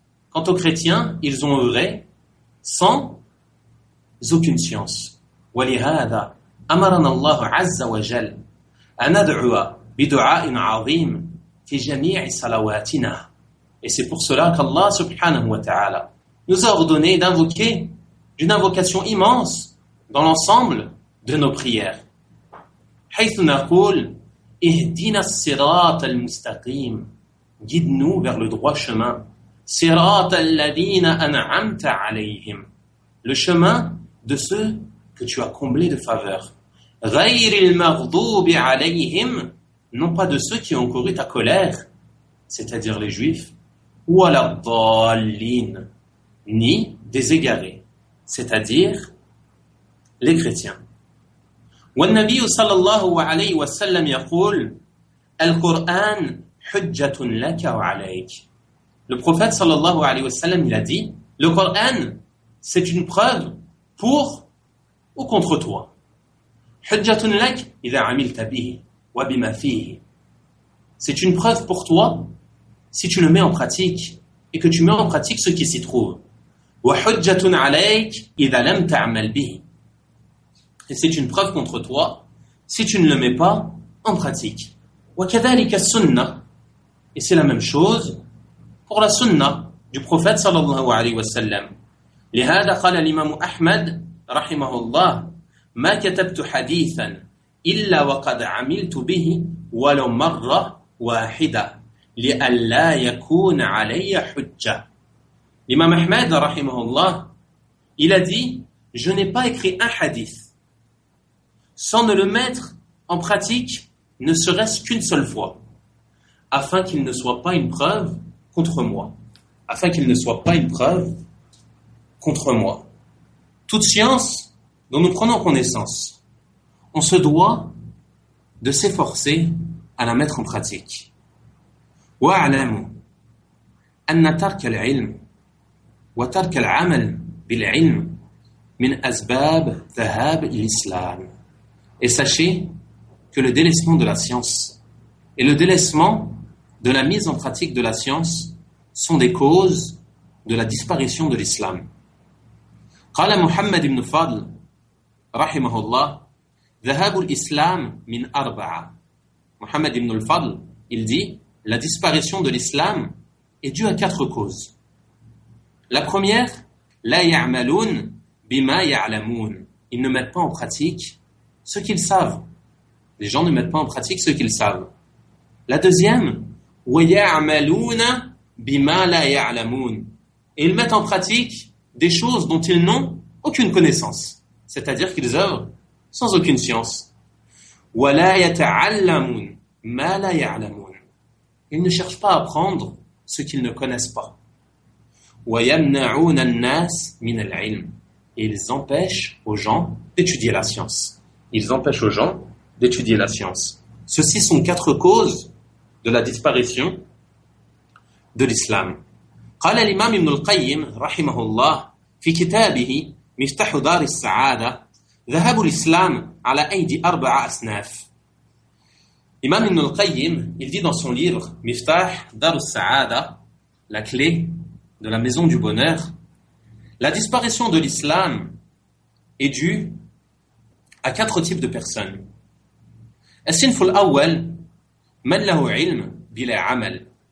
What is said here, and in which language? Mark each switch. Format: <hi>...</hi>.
<fr>Quant aux chrétiens, ils ont œuvré sans aucune science.</fr> <ar>ولهذا أمرنا الله عز وجل أن ندعو بدعاء عظيم في جميع صلواتنا.</ar> <fr>Et c'est pour cela qu'Allah subhanahu wa ta'ala nous a ordonné d'invoquer d'une invocation immense dans l'ensemble de nos prières.</fr> <ar>حيث نقول اهدنا الصراط المستقيم.</ar> <fr>Guide-nous vers le droit chemin.</fr> <ar>صراط الذين أنعمت عليهم.</ar> <fr>Le chemin de ceux que tu as comblés de faveur.</fr> <ar>غير المغضوب عليهم,</ar> <fr>non pas de ceux qui ont couru ta colère, c'est-à-dire les juifs,</fr> <ar>ولا الضالين,</ar> <fr>ni des égarés, c'est-à-dire les chrétiens.</fr> <ar>والنبي صلى الله عليه وسلم يقول القرآن حجة لك وعليك.</ar> <fr>Le prophète</fr> <ar>صلى الله عليه وسلم</ar> <fr>il a dit le Coran c'est une preuve pour ou contre toi.</fr> <ar>حُجَّةٌ لَكْ إِذَا عَمِلْتَ بِهِ وَبِمَا فِيهِ.</ar> <fr>C'est une preuve pour toi si tu le mets en pratique et que tu mets en pratique ce qui s'y trouve.</fr> <ar>وحجة عليك إذا لم تعمل به.</ar> <fr>C'est une preuve contre toi si tu ne le mets pas en pratique.</fr> <ar>وكذلك السنة.</ar> <fr>Et c'est la même chose pour la sunna du prophète sallallahu alayhi wa sallam.</fr> <ar>لهذا قال الإمام أحمد رحمه الله ما كتبت حديثا إلا وقد عملت به ولو مرة واحدة لألا يكون علي حجة.</ar> <fr>L'imam Ahmed, rahimahullah, il a dit, je n'ai pas écrit un hadith sans ne le mettre en pratique, ne serait-ce qu'une seule fois, afin qu'il ne soit pas une preuve contre moi. Afin qu'il ne soit pas une preuve contre moi. Toute science dont nous prenons connaissance, on se doit de s'efforcer à la mettre en pratique.</fr> <ar>وَاعْلَمُ أَنَّ تَرْكَ الْعِلْمِ وترك العمل بالعلم من أسباب ذهاب الإسلام.</ar> <fr>Et sachez que le délaissement de la science et le délaissement de la mise en pratique de la science sont des causes de la disparition de l'islam.</fr> <ar>قال محمد بن فضل رحمه الله ذهاب الإسلام من أربعة.</ar> <fr>محمد بن الفضل, il dit, la disparition de l'islam est due à quatre causes. La première,</fr> <ar>la ya'malun bima ya'lamun.</ar> <fr>Ils ne mettent pas en pratique ce qu'ils savent. Les gens ne mettent pas en pratique ce qu'ils savent. La deuxième,</fr> <ar>wa ya'malun bima la ya'lamun.</ar> <fr>Et ils mettent en pratique des choses dont ils n'ont aucune connaissance, c'est-à-dire qu'ils œuvrent sans aucune science.</fr> <ar>Wa la yata'allamun ma la ya'lamun.</ar> <fr>Ils ne cherchent pas à apprendre ce qu'ils ne connaissent pas.</fr> <ar>وَيَمْنَعُونَ النَّاسِ مِنَ الْعِلْمِ.</ar> <fr>Et ils empêchent aux gens d'étudier la science. Ils empêchent aux gens d'étudier la science. Ceci sont quatre causes de la disparition de l'islam.</fr> <ar>قال الإمام ابن القيم رحمه الله في كتابه مفتاح دار السعادة ذهب الإسلام على أيدي أربعة أصناف.</ar> <fr>الإمام ابن القيم, il dit dans son livre مفتاح دار السعادة, la clé de la maison du bonheur, la disparition de l'islam est due à quatre types de personnes.</fr> <ar>As-sinf al-awwal man lahu ilm bila amal.</ar>